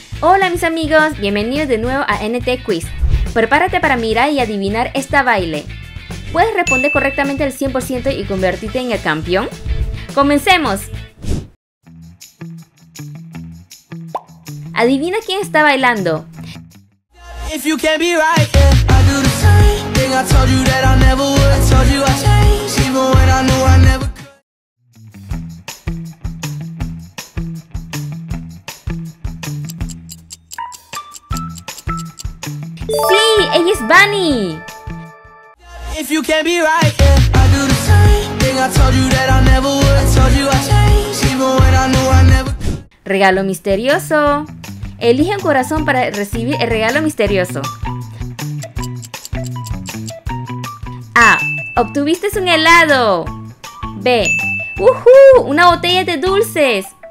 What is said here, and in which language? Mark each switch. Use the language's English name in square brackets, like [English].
[Spanish] Hola mis amigos, bienvenidos de nuevo a NT Quiz. Prepárate para mirar y adivinar esta baile. ¿Puedes responder correctamente al 100% y convertirte en el campeón? ¡Comencemos! Adivina quién está bailando. [English] If you can't be right, yeah, I do the same thing. I told you that I never would. I told you I'd change, even when I knew I never could. [Spanish] Sí, ella es Bunny. [English] If you can't be right, yeah, I do the same thing. I told you that I never would. I told you I'd change, even when I knew I never could. [Spanish] Regalo misterioso. Elige un corazón para recibir el regalo misterioso. A. Obtuviste un helado. B. Una botella de dulces.